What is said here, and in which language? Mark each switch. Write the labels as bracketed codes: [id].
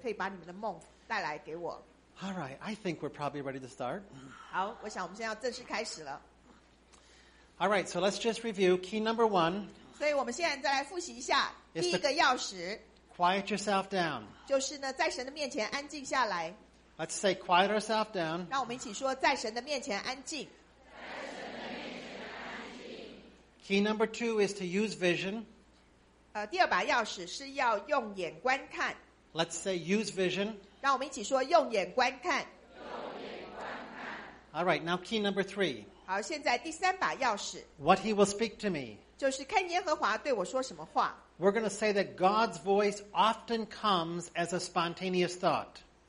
[zh] 希望明天大概5点半的时候，有4, 5个人可以把你们的梦带来给我。 [en] All right, I think we're probably ready to start. [zh] 好，我想我们现在要正式开始了。 [en] All right, so let's just review key number one. [zh] 所以我们现在再来复习一下第一个钥匙。 [en] Quiet yourself down. [zh] 就是呢，在神的面前安静下来。 [en] Let's say quiet ourselves down. [zh] 让我们一起说，在神的面前安静。 [en] Key number two is to use vision. [zh] 第二把钥匙是要用眼观看。 [en] Let's say use vision. [zh] 让我们一起说，用眼观看。 [en] All right, now key number three. [zh] 好，现在第三把钥匙。 [en] What he will speak to me. [zh] 就是看耶和华对我说什么话。 [en] We're going to say that God's voice often comes as a spontaneous thought.